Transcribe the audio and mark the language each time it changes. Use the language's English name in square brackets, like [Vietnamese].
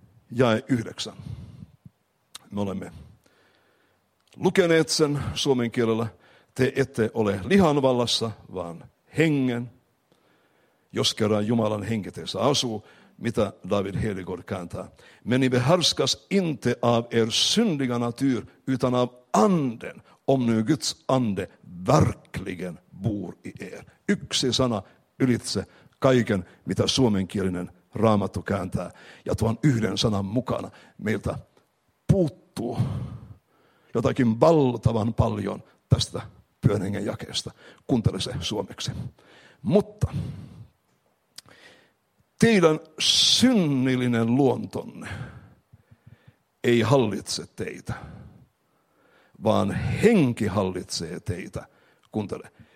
[Finnish] Jae 9. Me olemme lukeneet sen suomen kielellä, te ette ole lihan vallassa, vaan hengen, jos kerran Jumalan henki teissä asuu, mitä David Hedegaard kääntää. [Swedish] Men ni behärskas inte av er syndiga natur, utan av anden, om nu Guds ande verkligen bor i er. [Finnish] Yksi sana ylitse kaiken, mitä suomenkielinen Raamattu kääntää. Ja tuon yhden sanan mukana meiltä puuttuu jotakin valtavan paljon tästä Pyhän Hengen jakeesta. Kuuntele se suomeksi. Mutta teidän synnillinen luontonne ei hallitse teitä, vaan henki hallitsee teitä. Kuuntele.